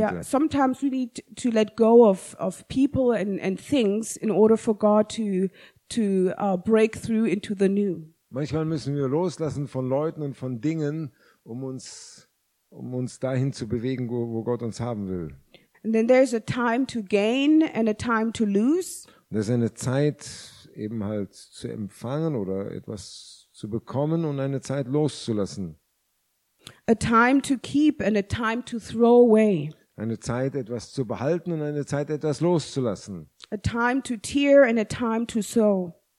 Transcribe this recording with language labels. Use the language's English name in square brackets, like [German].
[English] Yeah, sometimes we need to let go of people and things in order for God to break through into the new. [German] Manchmal müssen wir loslassen von Leuten und von Dingen, um uns dahin zu bewegen, wo Gott uns haben will. [English] And then there's a time to gain and a time to lose. [German] Und das ist eine Zeit, eben halt zu empfangen oder etwas zu bekommen und eine Zeit loszulassen. [English] A time to keep and a time to throw away. [German] Eine Zeit, etwas zu behalten und eine Zeit, etwas loszulassen. [English] A time to tear and a time to sow.